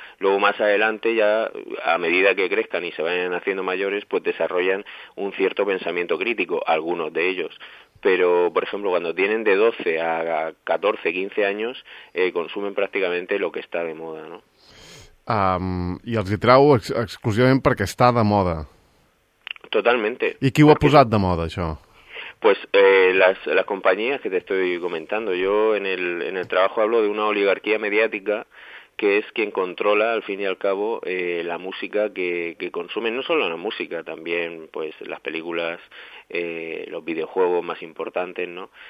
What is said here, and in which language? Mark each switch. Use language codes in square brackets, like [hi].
[es] Luego más adelante ya, a medida que crezcan y se vayan haciendo mayores, pues desarrollan un cierto pensamiento crítico, algunos de ellos. Pero, por ejemplo, cuando tienen de 12 a 14, 15 años, consumen prácticamente lo que está de moda, ¿no? [ca] I els hi trau exclusivament perquè està de moda. [es] Totalmente. [ca] I qui ho ha posat de moda, això? [es] Pues las compañías que te estoy comentando. Yo en el trabajo hablo de una oligarquía mediática que es quien controla, al fin y al cabo, la música que consumen. No solo la música, también pues las películas, los videojuegos más importantes, ¿no?